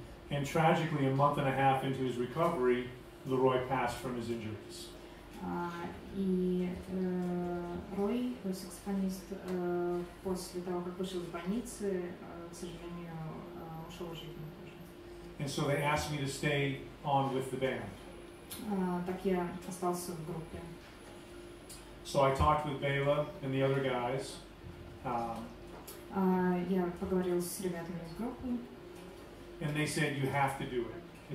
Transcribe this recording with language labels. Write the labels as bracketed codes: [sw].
[en] And tragically, a month and a half into his recovery, Leroy passed from his injuries. [ru] И Рой то есть саксофонист после того, как вышел из больницы, к сожалению, ушел из жизни. [en] And so they asked me to stay on with the band. [ru] Так я остался в группе. [en] So I talked with Bela and the other guys. [ru] Я поговорил с ребятами из группы. [en] And they said, you have to do it.